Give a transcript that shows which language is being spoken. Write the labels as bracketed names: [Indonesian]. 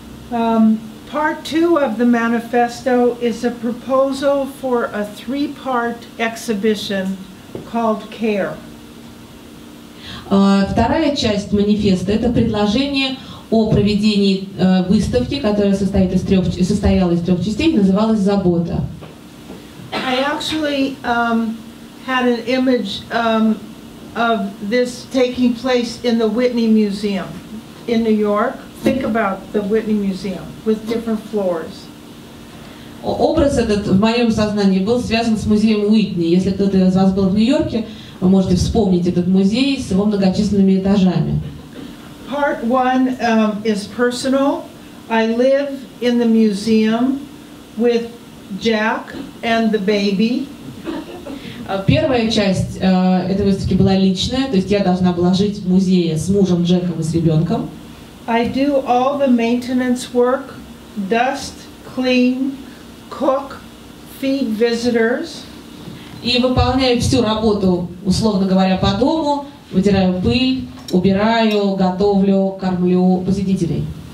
[English] Part two of the manifesto is a proposal for a three-part exhibition called Care. [Russian] Вторая часть манифеста – это предложение о проведении выставки, которая состояла из трех частей, называлась «Забота». [English] I actually had an image of this taking place in the Whitney Museum in New York. Think about the Whitney Museum with different floors. [Russian] Образ этот в моем сознании был связан с музеем Уитни. Если кто-то из вас был в Нью-Йорке, вы можете вспомнить этот музей с его многочисленными этажами. [English] Part one is personal. I live in the museum with Jack and the baby. [Russian] Первая часть этой выставки была личная, то есть я должна была жить в музее с мужем Джеком и с ребенком. [English] I do all the maintenance work, dust, clean, cook, feed visitors. [Russian] И выполняю всю работу, условно говоря, по дому, вытираю пыль, убираю, готовлю, кормлю посетителей.